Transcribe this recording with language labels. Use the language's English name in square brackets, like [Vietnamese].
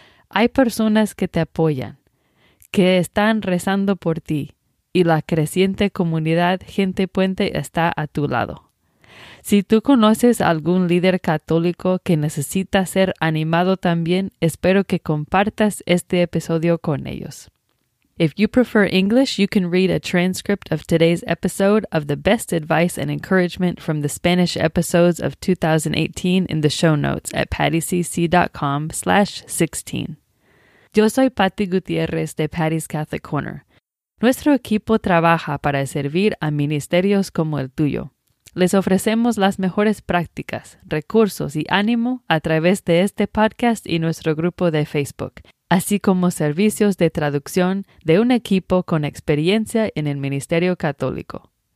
[Spanish] Hay personas que te apoyan, que están rezando por ti, y la creciente comunidad Gente Puente está a tu lado. Si tú conoces a algún líder católico que necesita ser animado también, espero que compartas este episodio con ellos. [English] If you prefer English, you can read a transcript of today's episode of the best advice and encouragement from the Spanish episodes of 2018 in the show notes at pattycc.com/16. [Spanish] Yo soy Patty Gutiérrez de Patty's Catholic Corner. Nuestro equipo trabaja para servir a ministerios como el tuyo. Les ofrecemos las mejores prácticas, recursos y ánimo a través de este podcast y nuestro grupo de Facebook, así como servicios de traducción de un equipo con experiencia en el ministerio católico.